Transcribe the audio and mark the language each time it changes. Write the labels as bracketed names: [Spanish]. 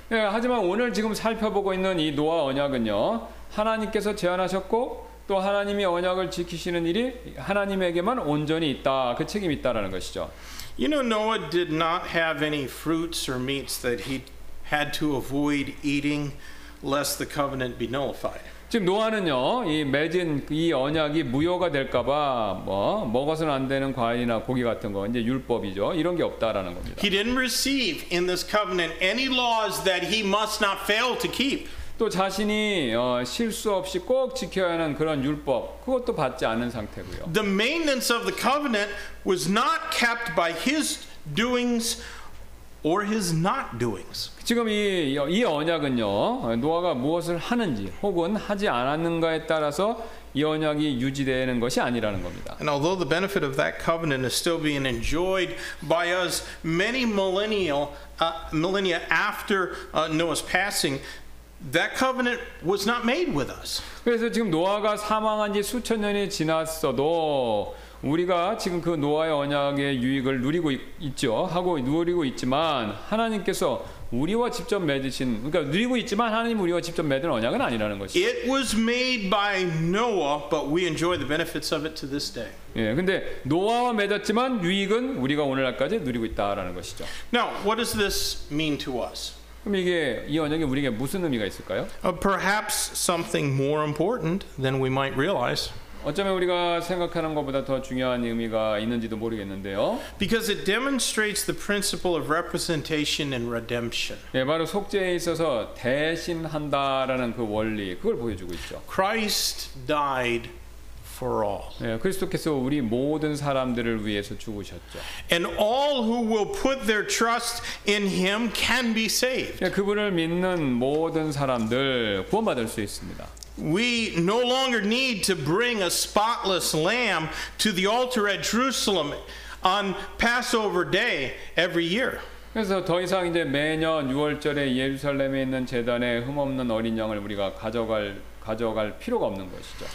[Korean] 예, 하지만 오늘 지금 살펴보고 있는 이 노아 언약은요, 하나님께서 제안하셨고. 또 하나님이 언약을 지키시는 일이 하나님에게만 온전히 있다. 그 책임이 있다라는 것이죠. [English] You know Noah did not have any fruits or meats that he had to avoid eating lest the covenant be nullified. [Korean] 지금 노아는요, 이 맺은 이 언약이 무효가 될까봐 뭐 먹어서는 안 되는 과일이나 고기 같은 거 이제 율법이죠. 이런 게 없다라는 겁니다. [English] He didn't receive in this covenant any laws that he must not fail to keep. [Korean] 또 자신이 실수 없이 꼭 지켜야 하는 그런 율법 그것도 받지 않은 상태고요. [English] The maintenance of the covenant was not kept by his doings or his not doings. [Korean] 지금 이 언약은요. 노아가 무엇을 하는지 혹은 하지 않았는가에 따라서 이 언약이 유지되는 것이 아니라는 겁니다. [English] And although the benefit of that covenant is still being enjoyed by us many millennia after Noah's passing, that covenant was not made with us. [Korean] 그래서 지금 노아가 사망한 지 수천 년이 지났어도 우리가 지금 그 노아의 언약의 유익을 누리고 있죠. 하고 누리고 있지만 하나님께서 우리와 직접 맺으신 그러니까 누리고 있지만 하나님 우리와 직접 맺은 언약은 아니라는 것이죠. [English] It was made by Noah, but we enjoy the benefits of it to this day. [Korean] 예, 근데 노아와 맺었지만 유익은 우리가 오늘날까지 누리고 있다라는 것이죠. [English] Now, what does this mean to us? [Korean] 그럼 이게 이 언약이 우리에게 무슨 의미가 있을까요? [English] Perhaps something more important than we might realize. [Korean] 어쩌면 우리가 생각하는 것보다 더 중요한 의미가 있는지도 모르겠는데요. [English] Because it demonstrates the principle of representation and redemption. [Korean] 예, 바로 속죄에 있어서 대신한다라는 그 원리 그걸 보여주고 있죠. [English] Christ died for all. [Korean] 예, 그리스도께서 우리 모든 사람들을 위해서 죽으셨죠. [English] And all who will put their trust in him can be saved. [Korean] 예, 그분을 믿는 모든 사람들 구원받을 수 있습니다. [English] We no longer need to bring a spotless lamb to the altar at Jerusalem on Passover day every year. [Korean] 그래서 더 이상 이제 매년 유월절에 예루살렘에 있는 제단에 흠 없는 어린 양을 우리가 가져갈 필요가 없는 것이죠.